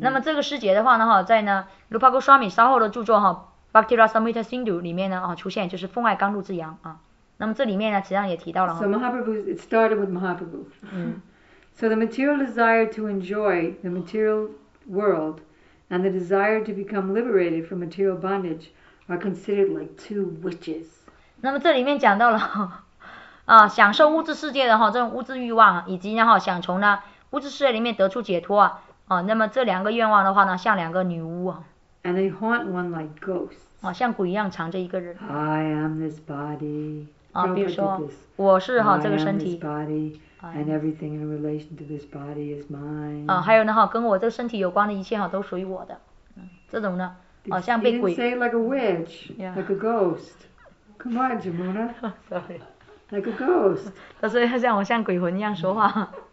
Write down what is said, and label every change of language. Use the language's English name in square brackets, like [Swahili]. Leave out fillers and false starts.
[Chinese] 那么这个师姐的话呢，哈，在呢 Rupa Goswami 稍后的著作哈 Bhakti Rasamrita Sindhu 里面呢，出现就是奉爱甘露之阳那么这里面呢，实际上也提到了。 [English] So Mahaprabhu, it started with Mahaprabhu. So the material desire to enjoy the material world and the desire to become liberated from material bondage are considered like two witches. [Chinese] 那么这里面讲到了啊，享受物质世界的哈，这种物质欲望，以及然后想从呢物质世界里面得出解脱啊，啊，那么这两个愿望的话呢，像两个女巫啊。 [English] And they haunt one like ghosts. [Chinese] 啊，像鬼一样缠着一个人。 [English] I am this body. [Chinese] 啊，比如说，我是哈这个身体。 [English] I am this body, and everything in relation to this body is mine. [Chinese] 啊，还有呢哈，跟我这个身体有关的一切哈，都属于我的。嗯，这种呢，啊，像被鬼。 [English] They say like a witch, like a ghost. Come on, Jamuna. Sorry. Like a ghost. [Chinese] 他说要像我像鬼魂一样说话。